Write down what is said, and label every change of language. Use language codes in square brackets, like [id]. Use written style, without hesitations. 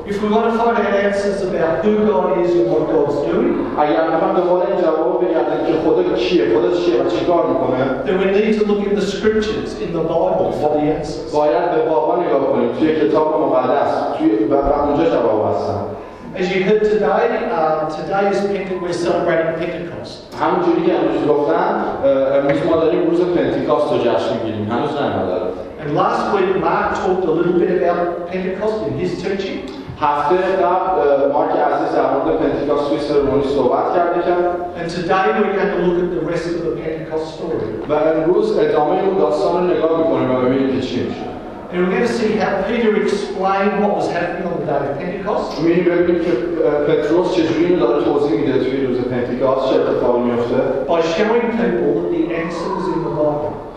[en] If we want to find out answers about who God is and what God's doing, then we need to look in the scriptures, in the Bible, for the answers. As you heard today, today is we're celebrating Pentecost. [fa] همونجوری که امروز گفتن امروز ما داریم روز پنتیکاست رو جشن میگیریم هنوز نیومده [en] And last week Mark talked a little bit about Pentecost in his teaching. [fa] هفته قبل مارک عزیز در مورد پنتیکاست توی سرمونی صحبت کرده که [en] And today we're going to look at the rest of the Pentecost story. [fa] و امروز ادامه اون داستان رو نگاه میکنیم و ببینیم که چی میشه. [en] And we're going to see how Peter explained what was happening on the day of Pentecost. We remember Petros chasing the Lord towards him in that period of Pentecost, chapter 4 and 5. By showing people that the answer was in the Bible.